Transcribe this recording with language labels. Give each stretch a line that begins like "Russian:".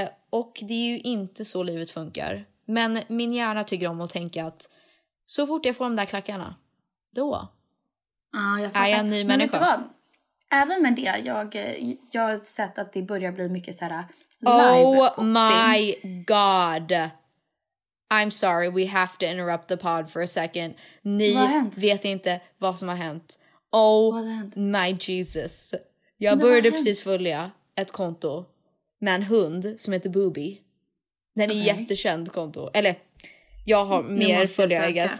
Swedish: Och det är ju inte så livet funkar. Men min hjärna tycker om att tänka att så fort jag får de där klackarna, då är jag en ny människa. Men även med det, jag har sett att det börjar bli mycket så här.
English: Oh my god. I'm sorry, we have to interrupt the pod for a second.
Swedish: Ni vet inte vad som har hänt.
English: Oh my Jesus.
Swedish: Jag började precis följa ett konto med en hund som heter Booby. Den är jättekänd konto. Eller, jag har mer följare,
English: I guess.